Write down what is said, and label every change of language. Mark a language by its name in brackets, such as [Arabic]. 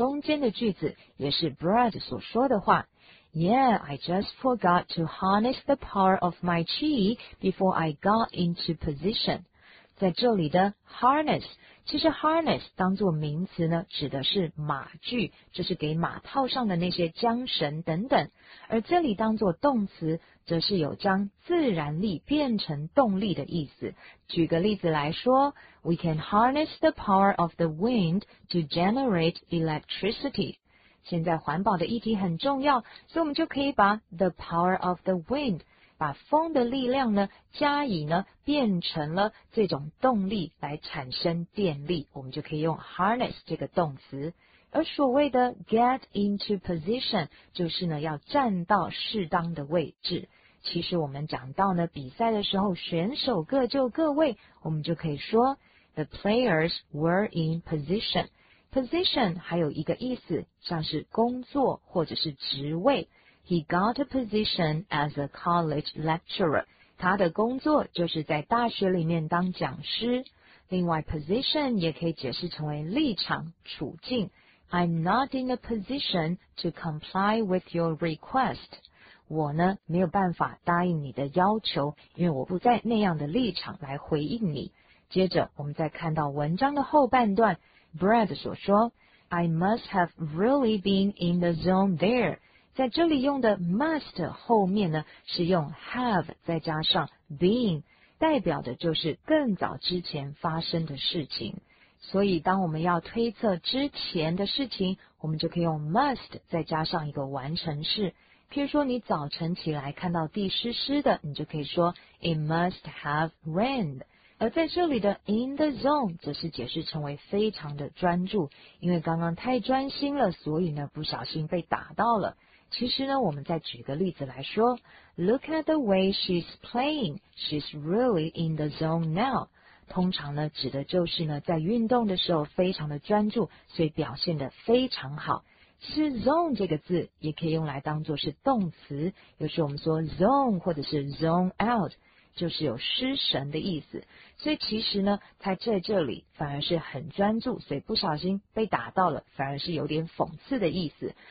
[Chinese] 接着我们要看的是比较中间的句子，也是 Brad 所说的话。 [English] Yeah, I just forgot to harness the power of my qi before I got into position. [Chinese] 在这里的 harness， 其实 harness 当作名词呢，指的是马具，就是给马套上的那些缰绳等等。而这里当作动词，则是有将自然力变成动力的意思。举个例子来说。 [English] We can harness the power of the wind to generate electricity. [Chinese] 现在环保的议题很重要，所以我们就可以把 the power of the wind 把风的力量呢加以呢变成了这种动力来产生电力，我们就可以用 harness 这个动词。而所谓的 get into position 就是呢要站到适当的位置。其实我们讲到呢比赛的时候选手各就各位，我们就可以说 the players were in position。 position 还有一个意思像是工作或者是职位。 He got a position as a college lecturer，他的工作就是在大学里面当讲师。另外 position 也可以解释成为立场处境。 [English] I'm not in a position to comply with your request. [Chinese] 我呢没有办法答应你的要求，因为我不在那样的立场来回应你。接着我们再看到文章的后半段， Brad 所说 I must have really been in the zone there. 在这里用的 must 后面呢是用 have 再加上 been， 代表的就是更早之前发生的事情。所以当我们要推测之前的事情，我们就可以用 must 再加上一个完成式。譬如说你早晨起来看到地湿湿的，你就可以说 it must have rained。而在这里的 in the zone 则是解释成为非常的专注，因为刚刚太专心了，所以呢不小心被打到了。其实呢我们再举个例子来说， look at the way she's playing， she's really in the zone now。通常呢指的就是呢在运动的时候非常的专注，所以表现得非常好。其实 zone 这个字也可以用来当作是动词，有时我们说 zone 或者是 zone out 就是有失神的意思。所以其实呢他在这里反而是很专注，所以不小心被打到了反而是有点讽刺的意思。